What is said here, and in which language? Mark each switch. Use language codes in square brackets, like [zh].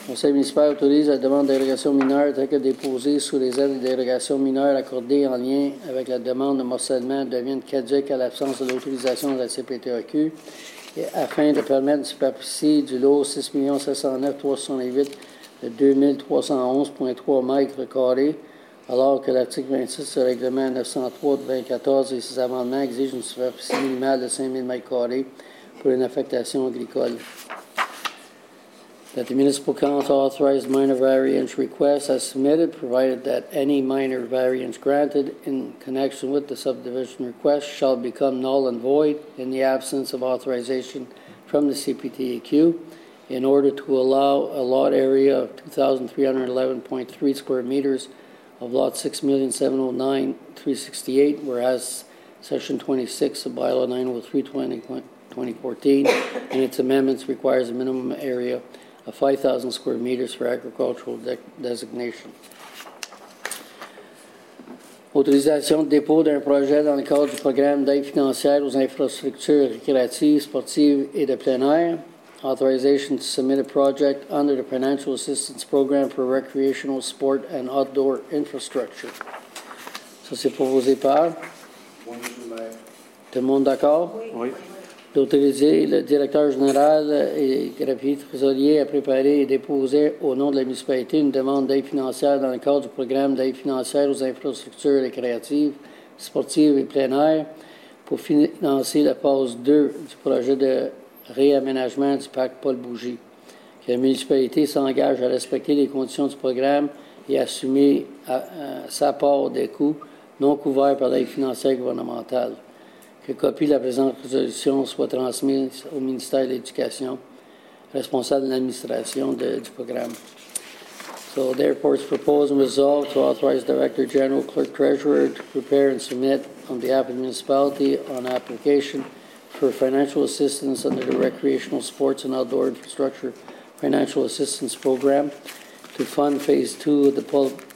[fr] Le conseil municipal autorise la demande d'érogation mineure telle que déposée sous les aides d'érogation mineure accordées en lien avec la demande de morcellement devienne caduque à l'absence de l'autorisation de la CPTAQ afin de permettre une superficie du lot 6,709,368 de 2,311,3 m², alors que l'article 26 du règlement 903-2014 et ses amendements exigent une superficie minimale de 5000 m² pour une affectation agricole. [en] That the municipal council authorized minor variance request as submitted, provided that any minor variance granted in connection with the subdivision request shall become null and void in the absence of authorization from the CPTAQ in order to allow a lot area of 2,311.3 square meters of lot 6,709,368, whereas Section 26 of Bylaw 903-2014 and its amendments requires a minimum area of 5,000 square meters for agricultural designation. [fr] Autorisation de dépôt d'un projet dans le cadre du programme d'aide financière aux infrastructures récréatives, sportives et de plein air. [en] Authorization to submit a project under the Financial Assistance Program for Recreational Sport and Outdoor Infrastructure. [fr] Ça, c'est proposé par? Tout le monde d'accord? Oui. D'autoriser le directeur général et greffier trésorier à préparer et déposer au nom de la municipalité une demande d'aide financière dans le cadre du programme d'aide financière aux infrastructures récréatives, sportives et plein air pour financer la phase 2 du projet de réaménagement du parc Paul Bougie. Que la municipalité s'engage à respecter les conditions du programme et assumer sa part des coûts non couverts par l'aide financière gouvernementale. Que copie de la présente résolution soit transmise au ministère de l'Éducation responsable de l'administration du programme. [en] So the airport's proposed resolve to authorize Director General, Clerk Treasurer to prepare and submit on behalf of the municipality on application for financial assistance under the Recreational Sports and Outdoor Infrastructure Financial Assistance Program to fund phase two of the Paul